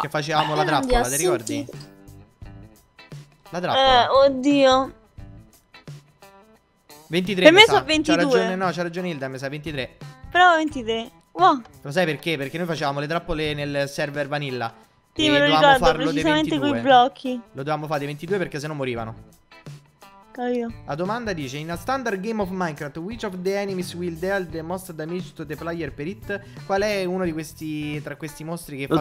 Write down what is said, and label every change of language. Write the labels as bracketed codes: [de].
[it] Che facevamo la trappola, ti ricordi? La trappola. Oddio. 23. Per me sono 22. C'ha ragione, no, c'ha ragione Hilda, mi sa 23. Però 23. Wow. Lo sai perché? Perché noi facevamo le trappole nel server vanilla. Sì, e me lo ricordo, farlo precisamente quei blocchi. Lo dovevamo fare dei 22 perché sennò morivano. La domanda dice: [en] in a standard game of Minecraft, which of the enemies will deal the most damage to the player per it? [it] Qual è uno di questi tra questi mostri che fa